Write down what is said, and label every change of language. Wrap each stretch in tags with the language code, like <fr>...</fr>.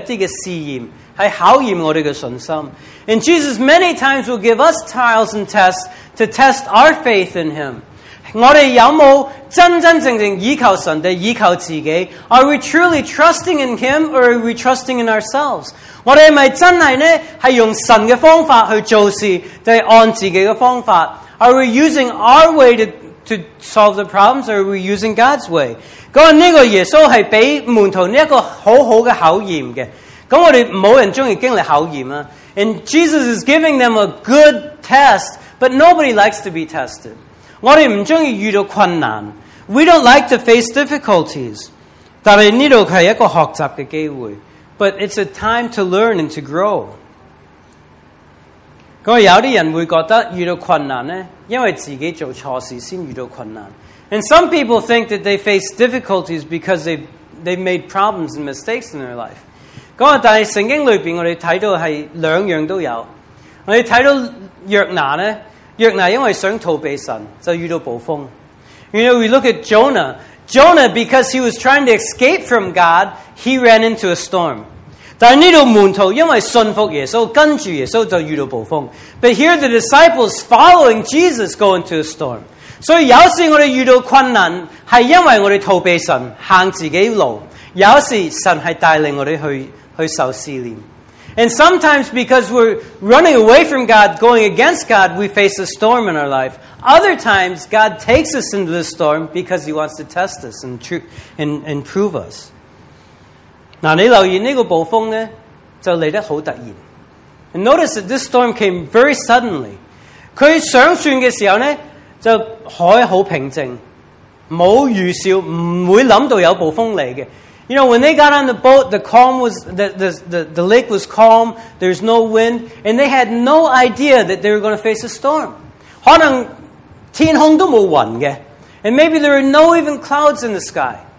<zh>耶稣很多时会给我们经历到一些试验，是考验我们的信心。</zh> <en>And Jesus many times will give us trials and tests to test our faith in Him.</en> <zh>我们有没有真真正正依靠神，还是依靠自己？</zh> <en>Are we truly trusting in Him, or are we trusting in ourselves?</en> <zh>我们是不是真的用神的方法去做事，还是按自己的方法？</zh> <en>Are we using our way to solve the problems, or are we using God's way?</en> <zh>这个耶稣是给门徒一个很好的考验的。那我们没有人喜欢经历考验。</zh> <en>And Jesus is giving them a good test, but nobody likes to be tested.</en> <zh>我们不喜欢遇到困难。</zh> <en>We don't like to face difficulties.</en> <zh>但是这是一个学习的机会。</zh> <en>But it's a time to learn and to grow.</en> <zh>有些人会觉得遇到困难呢， 因为自己做错事才遇到困难。</zh> <en>And some people think that they face difficulties because they've made problems and mistakes in their life.</en> <zh>但是圣经里面我们看到是两样都有。我们看到约拿呢， 约拿因为想逃避神，就遇到暴风。</zh> <en>You know, we look at Jonah. Jonah, because he was trying to escape from God, he ran into a storm.</en> <zh>但是这里门徒因为信服耶稣，跟着耶稣就遇到暴风。</zh> <en>But here the disciples following Jesus go into a storm.</en> <zh>所以有时我们遇到困难，是因为我们逃避神，行自己路。有时神是带领我们去受试炼。</zh> <en>And sometimes because we're running away from God, going against God, we face a storm in our life. Other times, God takes us into the storm because He wants to test us and prove us.</en> <zh>你留意这个暴风呢,</zh> <en>and notice that this storm came very suddenly.</en> <zh>他想算的时候呢,就海很平静,没有预兆,不会想到有暴风来的。</zh> <en>You know, when they got on the boat, the lake was calm, there's no wind, and they had no idea that they were going to face a storm.</en> <zh>可能天空都没有云的,</zh> <en>and maybe there were no even clouds in the sky.</en>